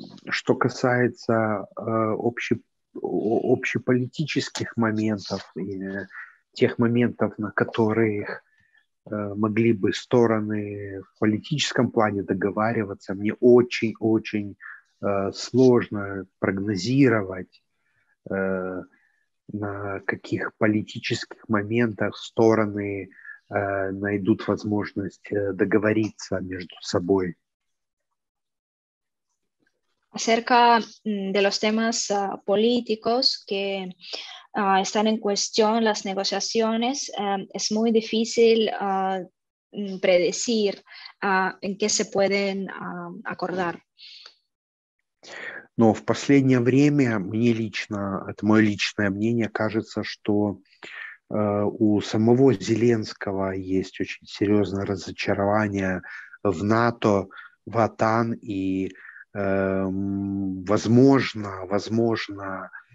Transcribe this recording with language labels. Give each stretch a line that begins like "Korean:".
Russian: Что касается общеполитических моментов и тех моментов, на которых могли бы стороны в политическом плане договариваться, мне очень-очень сложно прогнозировать, на каких политических моментах стороны найдут возможность договориться между собой.
Spanish: Acerca de los temas políticos que están en cuestión, las negociaciones, es muy difícil predecir en qué se pueden acordar.
Russian: Но в последнее время мне лично, это мое личное мнение, кажется, что у самого Зеленского есть очень серьезное разочарование в НАТО, в ОТАН и возможно,